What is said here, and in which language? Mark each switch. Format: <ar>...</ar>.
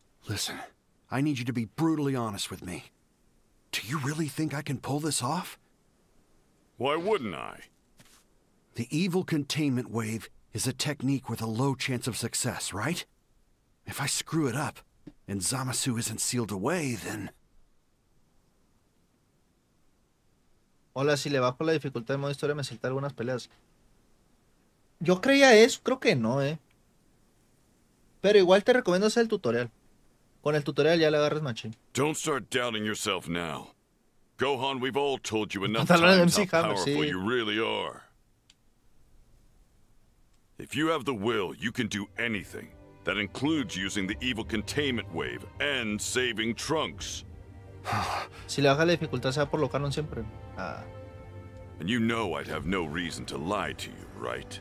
<en>Listen, I need you to be brutally honest with me. Do you really think I can pull this off? Why wouldn't I? The evil containment wave is a technique with a low chance of success, right? If I screw it up, and Zamasu isn't sealed away, then...</en> <es>Hola, si le bajo la dificultad de modo historia, me salté algunas peleas. Yo creía eso, creo que no, ¿eh? Pero igual te recomiendo hacer el tutorial. Con el tutorial ya le agarras machín.</es> <en>Don't start doubting yourself now. Gohan, we've all told you enough times how powerful you really are. If you have the will, you can do anything. That includes using the evil containment wave and saving Trunks.</en> <es>Si le baja la dificultad, sea por lo canon siempre. Ah.</es> <en>And you know I'd have no reason to lie to you, right?</en>